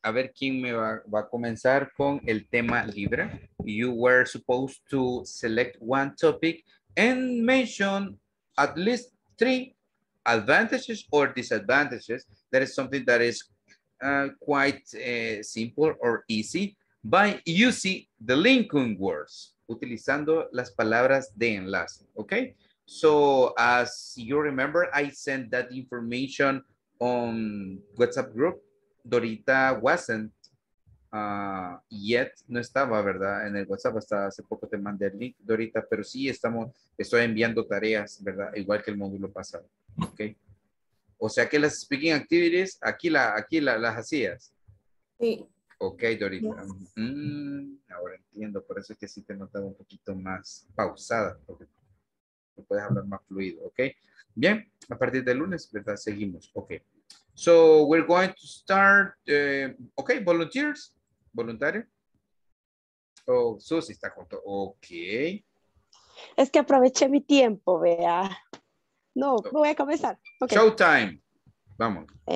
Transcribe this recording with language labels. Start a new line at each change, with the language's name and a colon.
Spanish: A ver quién me va a comenzar con el tema libre.
English: You were supposed to select one topic and mention at least three advantages or disadvantages. That is something that is quite simple or easy. By using the linking words,
Spanish: utilizando las palabras de enlace,
English: okay? So, as you remember, I sent that information on WhatsApp group.
Spanish: Dorita
English: wasn't yet,
Spanish: no estaba, ¿verdad? En el WhatsApp hasta hace poco te mandé el link, Dorita, pero sí estoy enviando tareas, ¿verdad? Igual que el módulo pasado, okay? O sea que las speaking activities, aquí las hacías. Sí.
English: Ok, Dorita. Yes.
Spanish: Ahora entiendo, por eso es que sí te notaba un poquito más pausada, porque puedes hablar más fluido, ok. Bien, a partir del lunes, ¿verdad? Seguimos, ok.
English: So, we're going to start, ok, volunteers, voluntario.
Spanish: Oh, Susi está junto, ok. Es que aproveché mi tiempo, vea. No, okay. Voy a comenzar.
English: Okay. Showtime, vamos.